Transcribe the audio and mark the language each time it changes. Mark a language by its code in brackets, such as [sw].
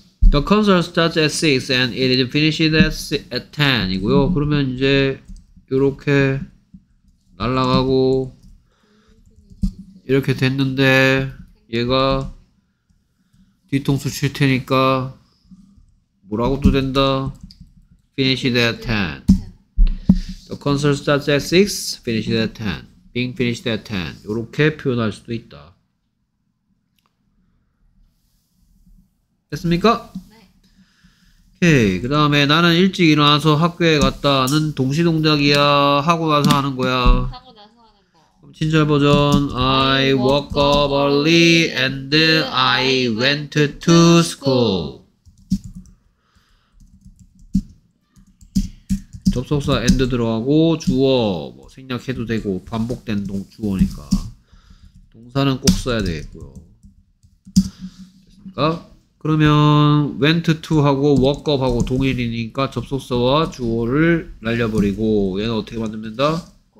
[en] The concert starts at 6 and it is finished at 10 이고요. [ko] 그러면 이제 이렇게 날아가고 이렇게 됐는데 얘가 뒤통수 칠 테니까 뭐라고도 된다? [en] Finished at 10. The concert starts at 6, finished at 10. Being finished at 10. [ko] 이렇게 표현할 수도 있다. 됐습니까? 오케이. 그 다음에 나는 일찍 일어나서 학교에 갔다는 동시동작이야. 하고 나서 하는 거야. 친절 버전. [en] I woke up early and I went to school. [ko] 접속사 and 들어가고 주어 뭐 생략해도 되고 반복된 주어니까 동사는 꼭 써야 되겠고요. 됐습니까? 그러면 went to 하고 woke up 하고 동일이니까 접속사와 주어를 날려버리고 얘는 어떻게 만들면 된다?